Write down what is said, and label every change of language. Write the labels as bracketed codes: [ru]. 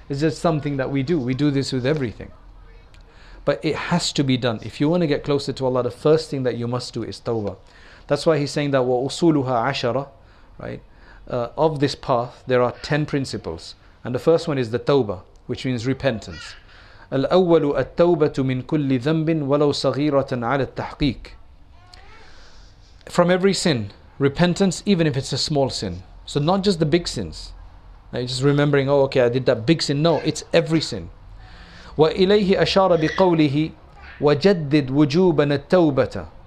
[en] It's just something that we do. We do this with everything. But it has to be done. If you want to get closer to Allah, the first thing that you must do is tawbah. That's why he's saying that [ar] wa usuluha ashara, [en] right? Of this path, there are 10 principles. And the first one is the tawbah, which means repentance. [ar] الأول التوبة من كل ذنب ولو صغيرة على التحقيق. [en] From every sin, repentance, even if it's a small sin. So not just the big sins. Now you're just remembering, oh, okay, I did that big sin. No, it's every sin. [ar] وإليه أشار بقوله وجدد وجوبا التوبة.